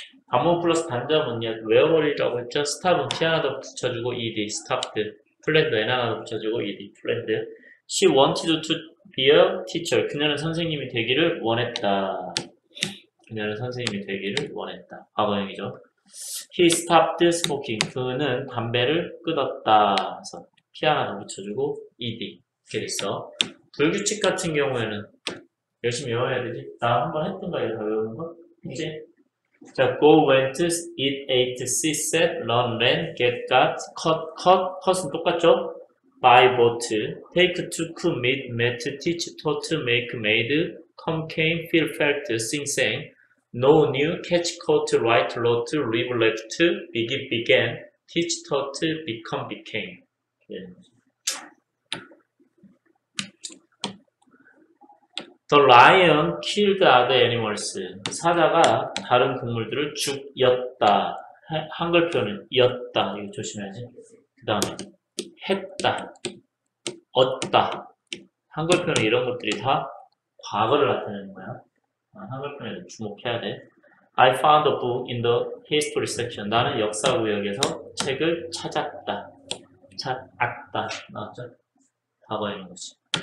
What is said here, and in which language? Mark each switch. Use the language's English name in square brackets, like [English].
[Korean] 반복 플러스 단자음은 외워버리라고 했죠? 스탑은 t 하나 더 붙여주고 ed, 스탑드. 플랜드 n 하나 더 붙여주고 ed, 플랜드. [English] She wanted to be a teacher. [Korean] 그녀는 선생님이 되기를 원했다. 그녀는 선생님이 되기를 원했다. 과거형이죠. [English] He stopped smoking. [Korean] 그는 담배를 끊었다. 그래서 t 하나 더 붙여주고 ed. 이렇게 됐어. 불규칙 같은 경우에는 열심히 외워야 되지. 나 한번 했던가 이거 다 외우는 거? [English] 이제 자, go, went, eat, ate, see, sat, run, ran, get, got, cut은 똑같죠? buy, bought, take, took, meet, met, teach, taught, make, made, come, came, feel, felt, sing, sang, know, knew, catch, caught, write, wrote, live, left, begin, began, teach, taught, become, became. 더 라이언 킬드 아더 애니멀스. [Korean] 사자가 다른 동물들을 죽였다. 한글 표현은 였다. 이거 조심해야지. 그 다음에 했다. 얻다. 한글 표현은 이런 것들이 다 과거를 나타내는 거야. 한글 표현에 주목해야 돼. [English] I found a book in the history section. [Korean] 나는 역사 구역에서 책을 찾았다. 찾았다. 나왔죠? 과거에 있는 거지.